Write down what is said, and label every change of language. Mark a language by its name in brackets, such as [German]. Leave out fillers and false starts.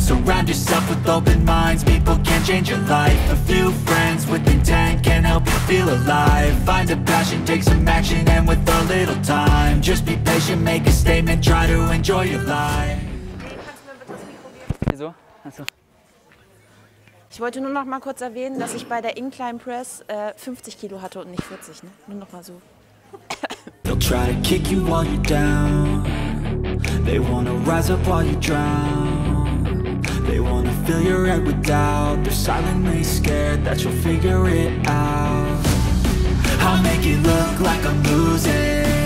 [English] Surround yourself with open minds, people can change your life. A few friends with intent can help you feel alive. Find a passion, take some action, and with a little time, just be patient, make a statement, try to enjoy your life. [German] Wieso? Achso. Ich wollte nur noch mal kurz erwähnen, dass ich bei der Incline Press 50 Kilo hatte und nicht 40, ne? Nur noch mal so. [English] They'll try to kick you while you're down. They wanna rise up while you drown. They wanna fill your head with doubt. They're silently scared that you'll figure it out. I'll make it look like I'm losing.